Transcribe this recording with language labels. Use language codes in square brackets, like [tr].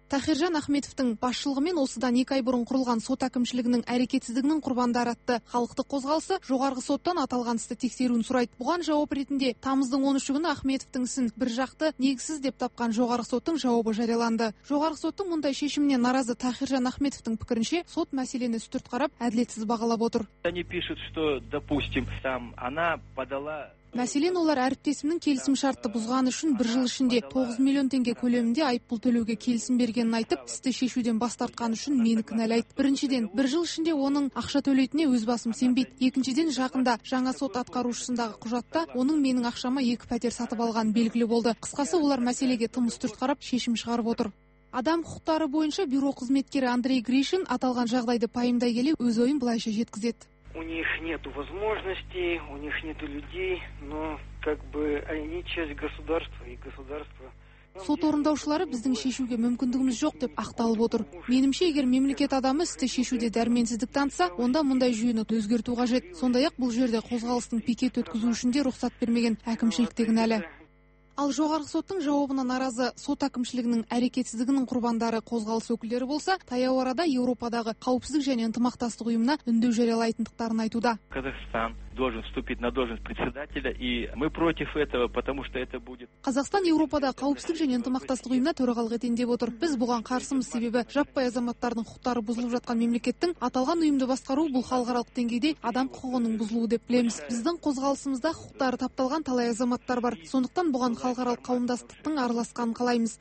[kk] Тахиржан Ахметовтың басшылығымен осыдан 2 ай бұрын құрылған сот әкімшілігінің әрекетсіздігінің құрбандары атты халықтық қозғалысы жоғарғы соттан аталған істі тексеруін сұрайды. Бұған жауап ретінде тамыздың 13 күні Ахметовтың ісін бір жақты негізсіз деп тапқан жоғарғы соттың жауабы жарияланды. Жоғарғы соттың мұндай шешіміне наразы Тахиржан Ахметовтың пікірінше сот мәселені үстірт қарап әділетсіз бағалап отыр. [ru] Они пишут, что, допустим, там она подала. [kk] Мәселен, олар әріптесімнің келісім шартты бұзғаны үшін бір жыл ішінде 9 миллион теңге көлемінде айыппұл төлеуге келісім бергенін айтып, істі шешуден бас тартқаны үшін мені кінәлайды. Біріншіден, бір жыл ішінде оның ақша төлейтініне өз басым сенбейді. Екіншіден, жақында жаңа сот атқарушысындағы құжатта оның менің ақшама 2 пәтер сатып алғаны белгілі болды. Қысқасы, олар мәселеге тым үстірт қарап шешім шығарып отыр. Адам құқықтары бойынша бюро қызметкері Андрей Гришин аталған жағдайды пайымдай келе өз ойын былайша жеткізеді. [ru] У них нету возможностей, у них нету людей, но как бы они часть государства и государство. [kk] Сот орындаушылары біздің шешуге мүмкіндігіміз жоқ деп ақталып отыр. Менімше, егер мемлекет адамы істі шешуде дәрменсіздік танытса, онда мұндай жүйені өзгерту қажет. Сондай-ақ, бұл жерде қозғалыстың пикет өткізу үшін де рұқсат бермеген әкімшіліктегі кінәлі. Ал жоғарғы соттың жауабына наразы сот әкімшілігінің әрекетсіздігінің құрбандары қозғалыс өкілдері болса, таяу арада Еуропадағы қауіпсіздік және ынтымақтастық ұйымына үндеу жариялайтындықтарын айтуда. [ru] Қазақстан должен вступить на должность председателя, и мы против этого, потому что это будет. [kk] Қазақстан Еуропада қауіпсіздік және ынтымақтастық ұйымына төрағалық етін деп отыр. Біз бұған қарсымыз, себебі жаппай азаматтардың құқықтары бұзылып жатқан мемлекеттің аталған ұйымды басқаруы бұл халықаралық деңгейде адам құқығының бұзылуы деп білеміз. Біздің қозғалысымызда құқықтары тапталған талай азаматтар бар. Сондықтан бұған халықаралық қауымдастықтың араласқанын қалаймыз.